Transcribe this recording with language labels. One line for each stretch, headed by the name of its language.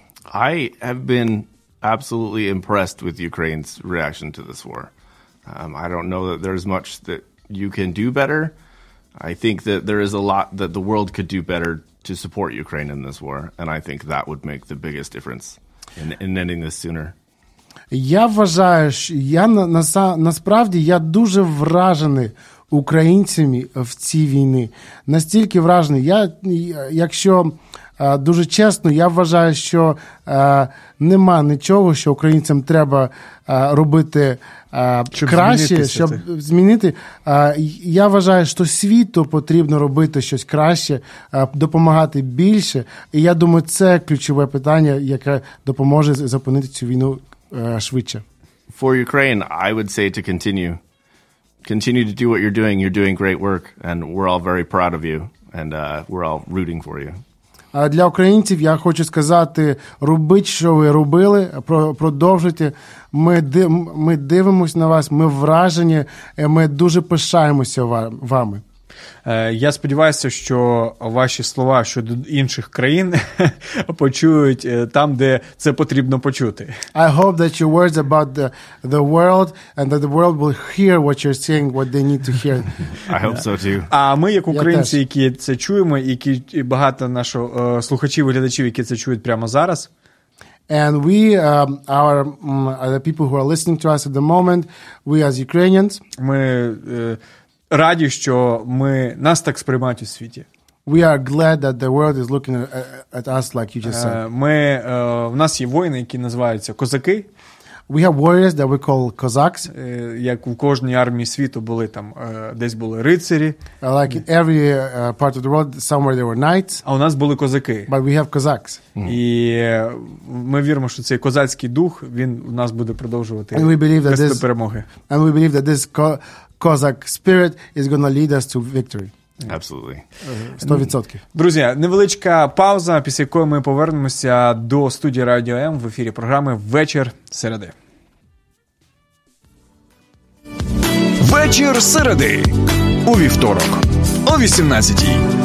English: I have been absolutely impressed with Ukraine's reaction to this war. I don't know that there's much that you can do better. I think that there is a lot that the world could do better to support Ukraine in this war, and I think that would make the biggest difference in ending this sooner.
Ukrainian: Я вважаю, я насправді я дуже вражений українцями в цій війні. Настільки вражений. Я, якщо дуже чесно, я вважаю, що нема нічого, що українцям треба робити краще, щоб змінити. Я вважаю, що світу потрібно робити щось краще, допомагати більше. І я думаю, це ключове питання, яке допоможе зупинити цю війну швидше.
English: For Ukraine, I would say to continue. Continue to do what you're doing. You're doing great work. And we're all very proud of you. And we're all rooting for you.
Ukrainian: Для українців я хочу сказати, робіть, що ви робили, продовжуйте. Ми дивимося на вас, ми вражені, ми дуже пишаємося вами. Я сподіваюся, що ваші слова щодо інших країн почують там, де це потрібно почути.
English: I hope that your words about the world and that the world will hear what you're saying, what they need to hear. I hope so too.
Ukrainian: А ми, як українці, які це чуємо, які багато наших слухачів і глядачів, які це чують прямо зараз.
English: And we are the people who are listening to us at the moment, we as Ukrainians.
Ukrainian: Ми раді, що нас так сприймають у світі.
English: We are glad that the world is looking at us like you just said.
Ukrainian: У нас є воїни, які називаються козаки.
English: We have warriors that we call Cossacks.
Ukrainian: Як у кожній армії світу були там, десь були рицарі.
English: Like in every part of the world, somewhere there were knights.
Ukrainian: А у нас були козаки.
English: But we have Cossacks.
Ukrainian: І ми віримо, що цей козацький дух, він у нас буде продовжувати
English: And we believe that this,
Ukrainian: перемоги.
English: And we believe that this Cossack spirit is going to lead us to victory. Absolutely. 100%.
Ukrainian: Друзі, невеличка пауза, після якої ми повернемося до студії Радіо М в ефірі програми «Вечір середи». Вечір середи. У вівторок. О 18-й.